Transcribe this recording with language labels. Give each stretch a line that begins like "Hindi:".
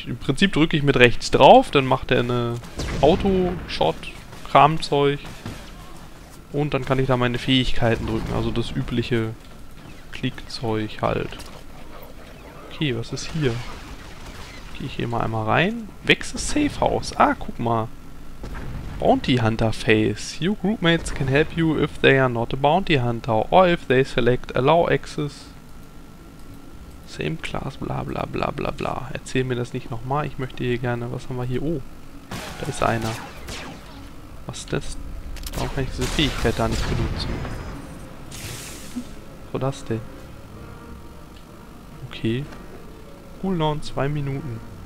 German: Im Prinzip drücke ich mit rechts drauf, dann macht er eine Auto-Shot-Kramzeug. Und dann kann ich da meine Fähigkeiten drücken. Also das übliche Klickzeug halt. Okay, was ist hier? Gehe ich hier mal einmal rein. Wechsel Safe House. Ah, guck mal. Bounty Hunter Face.
English: Your groupmates can help you if they are not a Bounty Hunter. Or if they select Allow Access. Same class, bla bla bla bla bla.
German: Erzähl mir das nicht nochmal. Ich möchte hier gerne. Was haben wir hier? Oh, da ist einer. Was ist das? Warum kann ich diese Fähigkeit da nicht benutzen? Wo das denn? Okay. Cooldown 2 Minuten.